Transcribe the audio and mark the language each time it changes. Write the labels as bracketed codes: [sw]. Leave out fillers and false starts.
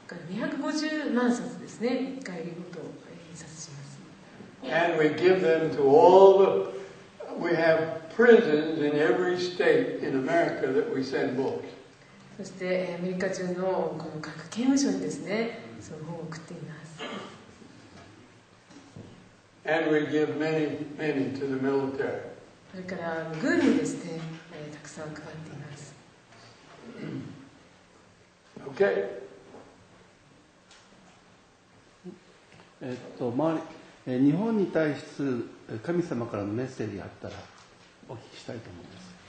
[ja] 250万冊ですね、一回ごと印刷します。 [en] And we give them to all the we have. Prisons in every state in America that we send books. [ja] そしてアメリカ中のこの各刑務所にですね、その本を送っています。 [en] And we give many, many to the military. [ja] それから軍にですね、たくさん配っています。 [en] Okay. [ja] マリ、日本に対する神様からのメッセージがあったら。お聞きしたいと思います。